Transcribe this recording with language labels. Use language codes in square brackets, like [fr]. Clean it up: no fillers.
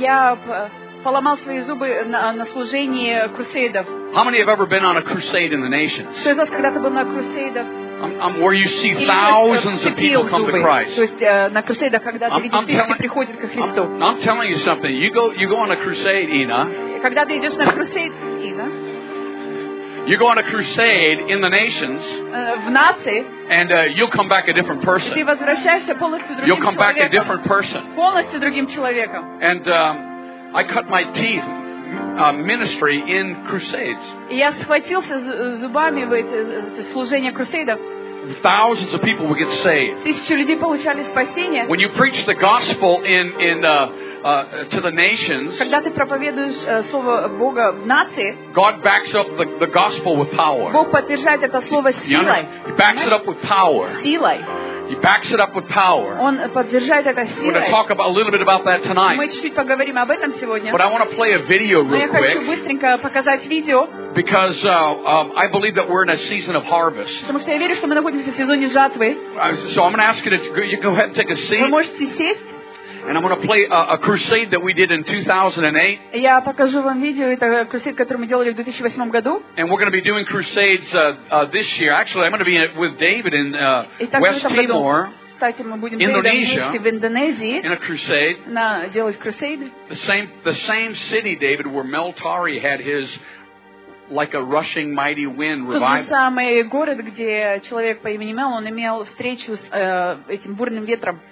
[ru] Я поломал свои зубы на служении крусейдов. [en] How many have ever been on a crusade in the nations? [ru] Кто из вас когда-то был на крусейдах? [en] I'm where you see thousands of people come to Christ. I'm telling you something. You go on a crusade, Ina. [ru] Когда ты идешь на крусейд, Ина? [en] You go on a crusade in the nations, and you'll come back a different person. You'll come back a different person. And I cut my teeth ministry in crusades. Thousands of people would get saved. When you preach the gospel to the nations, [ru] когда ты проповедуешь слово Бога в нации, [en] God backs up the gospel with power. [ru] Бог подтверждает это слово силой. [en] You know, he backs it up with power. [ru] Силой. [en] He backs it up with power. [ru] Он подтверждает это силой. [en] We're going to talk about a little bit about that tonight. [ru] Мы чуть-чуть поговорим об этом сегодня. [en] But I want to play a video real quick. [ru] Но я хочу быстренько показать видео. [en] Because I believe that we're in a season of harvest. [ru] Потому что я верю, что мы находимся в сезоне жатвы. [en] So I'm going to ask you to go ahead and take a seat. [ru] Вы можете сесть. [en] And I'm going to play a crusade that we did in 2008. [ru] Я покажу вам видео, это крусейд, который мы делали в 2008 году. [en] And we're going to be doing crusades this year. Actually, I'm going to be with David in West Timor, Indonesia, in a crusade. [ru] На делать крусейды. [en] The same city, David, where Mel Tari had his like a rushing mighty wind revival. [ru] Тот же самый город, где человек по имени Мел, он имел встречу с этим бурным ветром.